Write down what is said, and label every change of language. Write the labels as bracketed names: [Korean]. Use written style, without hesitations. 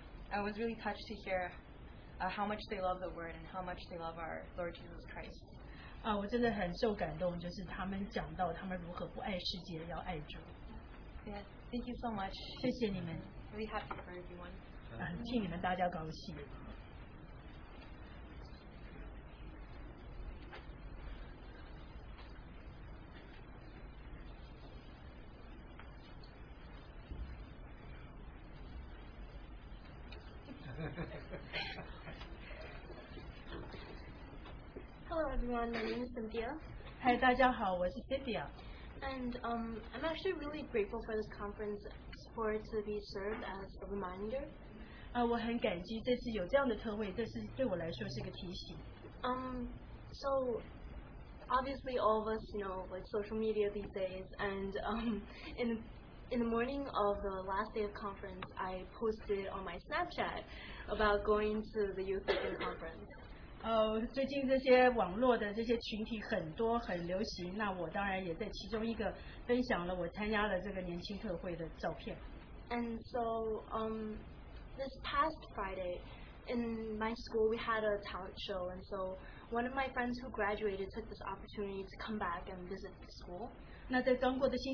[English] I was really touched to hear how much they love the word and how much they love our Lord Jesus Christ. [Chinese] 我真的很受感动，就是他们讲到他们如何不爱世界，要爱主。 [English] Yeah, thank you so much. [Chinese] 谢谢你们。 [English] Really happy for everyone. [Chinese] 替你们大家高兴。 [English] Hi, everyone. My name is Cynthia. [Chinese] Hi, 大家好, [English] and I'm actually really grateful for this conference for it to be served as a reminder. [Chinese] 我很感激这次有这样的特会，这是对我来说是个提醒。 [English] So obviously all of us, you know, like social media these days, and in the morning of the last day of conference, I posted on my Snapchat about going to the youth leader conference. [Chinese] 最近这些网络的这些群体很多很流行，那我当然也在其中一个分享了我参加了这个年轻特会的照片。 [English] And so, this past Friday, in my school, we had a talent show, and so one of my friends who graduated took this opportunity to come back and visit the school.